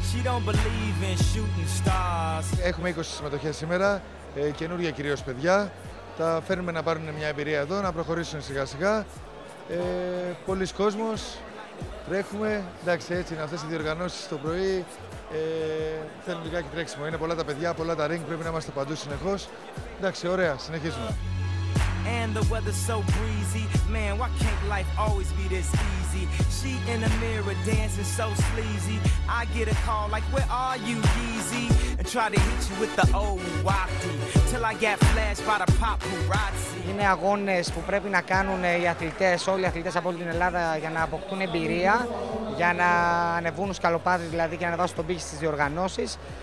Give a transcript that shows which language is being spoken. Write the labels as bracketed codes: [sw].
[en] don't believe in shooting stars. [el] Έχουμε 20 συμμετοχές σήμερα, καινούργια κυρίως παιδιά. Τα φέρνουμε να πάρουν μια εμπειρία εδώ, να προχωρήσουν σιγά σιγά. Πολύς κόσμος, τρέχουμε. Εντάξει, έτσι είναι αυτές οι διοργανώσεις το πρωί. Θέλουν λιγάκι τρέξιμο. Είναι πολλά τα παιδιά, πολλά τα ring, πρέπει να είμαστε παντού συνεχώς. Εντάξει, ωραία, συνεχίζουμε. [en] And the weather's so breezy, man, why can't life always be this easy? She in the mirror dancing so sleazy. I get a call like, where are you, Yeezy? And try to hit you with the old wacky, till I get flashed by the paparazzi. [el] Είναι αγώνες που πρέπει να κάνουν οι αθλητές, όλοι οι αθλητές από όλη την Ελλάδα, για να αποκτούν εμπειρία, για να ανεβούν σκαλοπάτι δηλαδή και να ανεβάσουν τον πύχη στις διοργανώσεις.